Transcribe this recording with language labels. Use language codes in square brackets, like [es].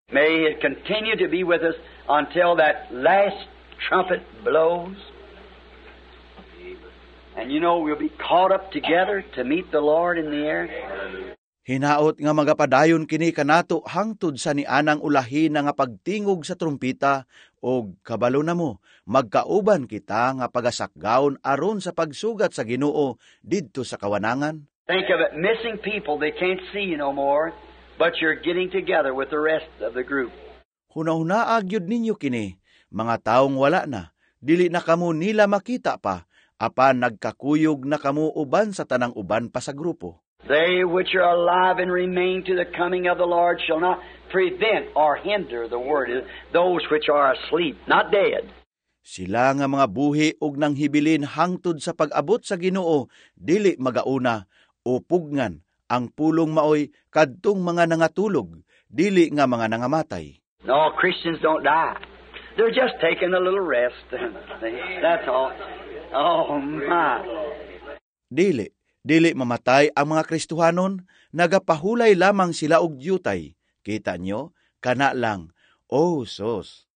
[en] May it continue to be with us until that last trumpet blows. And you know, we'll be caught up together to meet the Lord in the air. [ceb] Hinaot nga magapadayon kini kanato hangtod sa nianang ulahi na nga pagtingog sa trumpita og kabalo na mo, magkauban kita nga pagasakgaon aron sa pagsugat sa Ginoo didto sa kawanangan. [en] Think of it, missing people, they can't see you no more, but you're getting together with the rest of the group. [ceb] Hunahuna agyud ninyo kini, mga taong wala na, dili na kamo nila makita pa, apan nagkakuyog na kamo uban sa tanang uban pa sa grupo. [en] They which are alive and remain to the coming of the Lord shall not prevent or hinder the word of those which are asleep, not dead. [ceb] Sila nga mga buhi ug nanghibilin hangtod sa pag-abot sa Ginoo, dili magauna o pugngan ang pulong maoy kadtong mga nangatulog, dili nga mga nangamatay. [en] No, Christians don't die. They're just taking a little rest. That's all. Oh, my. [ceb] Dili mamatay ang mga Kristuhanon, nagapahulay lamang sila og dyutay. Kita nyo, kana lang, oh sus.